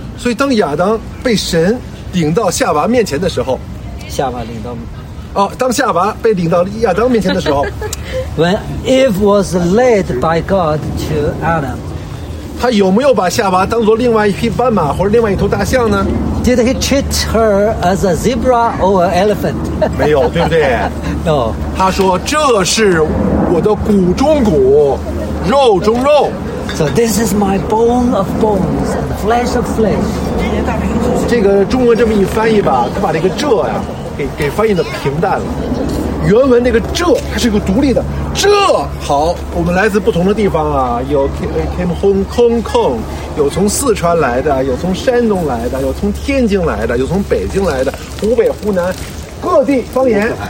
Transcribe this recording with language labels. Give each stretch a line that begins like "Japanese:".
Chinese: 所以当亚当被神领到夏娃面前的时候，夏娃领到哦，当夏娃被领到亚当面前的时候
English: When Eve was led by God to Adam
Chinese: 他有没有把夏娃当作另外一匹斑马或者另外一头大象呢？
English: Did he treat her as a zebra or an elephant?
Chinese: 没有，对不对？
English: No
Chinese: 他说这是我的骨中骨，肉中肉。
English: So this is my bone of bones and flesh of flesh.
Chinese: 这个中文这么一翻译吧，他把这个这呀、啊、给翻译的平淡了。原文那个这它是一个独立的这。好，我们来自不同的地方啊，有
English: came home
Chinese: 空空，有从四川来的，有从山东来的，有从天津来的，有从北京来的，湖北湖南各地方言。